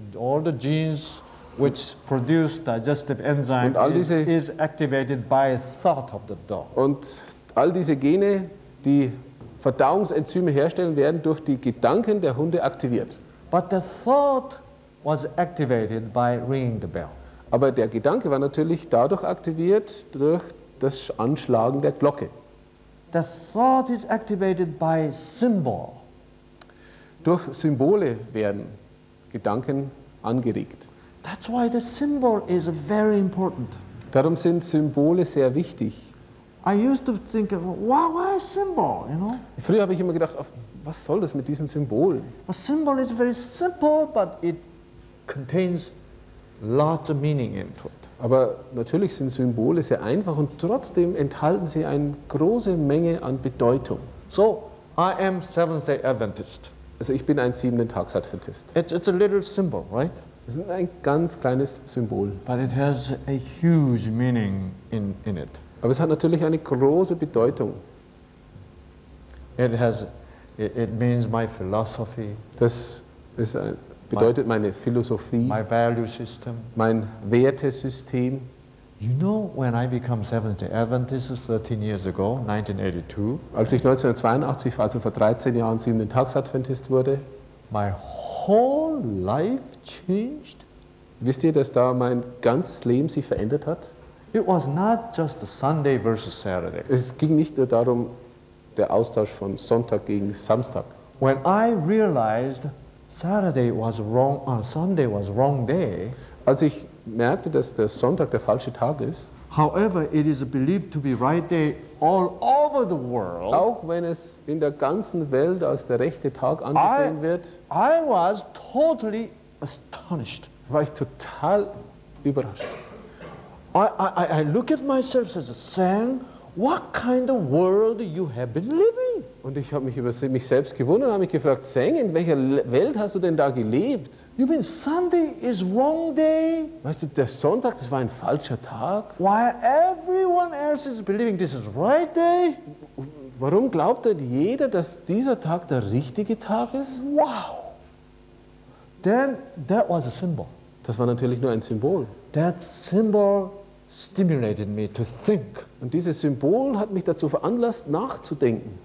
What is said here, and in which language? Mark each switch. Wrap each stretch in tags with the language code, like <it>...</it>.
<en>All the genes which produce digestive enzymes is activated by thought of the dog.</en> <de>Und all diese Gene, die Verdauungsenzyme herstellen, werden durch die Gedanken der Hunde aktiviert.</de> <en>But the thought was activated by ringing the bell.</en> <de>Aber der Gedanke war natürlich dadurch aktiviert durch das Anschlagen der Glocke.</de> <en>The thought is activated by symbol.</en> <de>Durch Symbole werden Gedanken angeregt.</de> <en>That's why the symbol is very important.</en> <de>Darum sind Symbole sehr wichtig.</de> <en>I used to think, why symbol, you know?</en> <de>Früher habe ich immer gedacht, was soll das mit diesen Symbolen?</de> <en>A symbol is very simple, but it contains lots of meaning in it.</en> <de>Aber natürlich sind Symbole sehr einfach und trotzdem enthalten sie eine große Menge an Bedeutung.</de> <en>So, I am Seventh-day Adventist.</en> <de>Also ich bin ein Siebenten-Tags-Adventist.</de> <en>It's a little symbol, right?</en> <de>Es ist ein ganz kleines Symbol.</de> <en>But it has a huge meaning in it.</en> <de>Aber es hat natürlich eine große Bedeutung.</de> <en>It means my philosophy.</en> <de>Das ist ein bedeutet meine Philosophie,</de> <en>my value system.</en> <de>Mein Wertesystem.</de> <en>You know, when I became Seventh-day Adventist 13 years ago, 1982,</en> <de>als ich 1982, also vor 13 Jahren, Siebenten-Tags-Adventist wurde,</de> <en>my whole life changed.</en> <de>Wisst ihr, dass da mein ganzes Leben sich verändert hat?</de> <en>It was not just the Sunday versus Saturday.</en> <de>Es ging nicht nur darum, der Austausch von Sonntag gegen Samstag.</de> <en>When I realized Saturday was wrong, Sunday was wrong day.</en> <de>Als ich merkte, dass der Sonntag der falsche Tag ist.</de> <en>However, it is believed to be right day all over the world.</en> <de>Auch wenn es in der ganzen Welt als der rechte Tag angesehen wird.</de> <en>I was totally astonished.</en> <de>War ich total überrascht.</de> <en>I look at myself as a saying, what kind of world you have been living?</en> <de>Und ich habe mich über mich selbst gewundert und habe mich gefragt, Zeng, in welcher Welt hast du denn da gelebt?</de> <en>You mean Sunday is wrong day?</en> <de>Weißt du, der Sonntag, das war ein falscher Tag.</de> <en>While everyone else is believing this is right day?</en> <de>Warum glaubt denn jeder, dass dieser Tag der richtige Tag ist?</de> <en>Wow! Then that was a symbol.</en> <de>Das war natürlich nur ein Symbol.</de> <en>That symbol stimulated me to think.</en> <de>Und dieses Symbol hat mich dazu veranlasst, nachzudenken.</de>